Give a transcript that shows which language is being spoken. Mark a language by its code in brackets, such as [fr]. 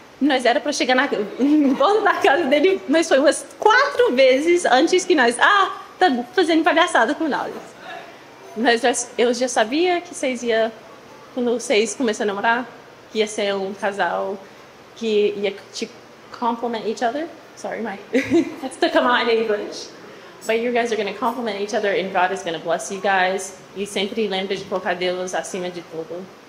[pt] Nós era para chegar no ponto da casa dele, mas foi umas 4 vezes antes que nós... Ah, tá fazendo palhaçada com nós. Mas eu já sabia que vocês iam, quando vocês começaram a namorar, que ia ser um casal que ia te [en] complement each other. Sorry, my... That's the come on English. But you guys are going to complement each other and God is going to bless you guys. [pt] E sempre lembra de colocar Deus acima de tudo.